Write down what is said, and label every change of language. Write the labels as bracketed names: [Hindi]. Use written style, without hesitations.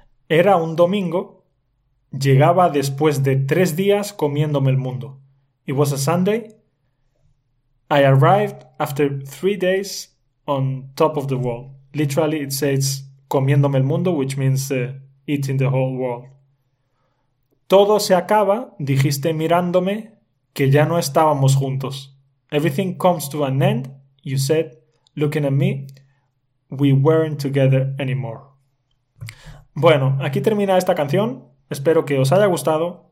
[Spanish] Era un domingo, llegaba después de 3 días comiéndome el mundo. [English] It was a Sunday. I arrived after 3 days on top of the world. Literally, it says [Spanish] comiéndome el mundo, [English] which means eating the whole world. [Spanish] Todo se acaba, dijiste mirándome, que ya no estábamos juntos. [English] Everything comes to an end, you said, looking at me, we weren't together anymore. [Spanish] Bueno, aquí termina esta canción. Espero que os haya gustado.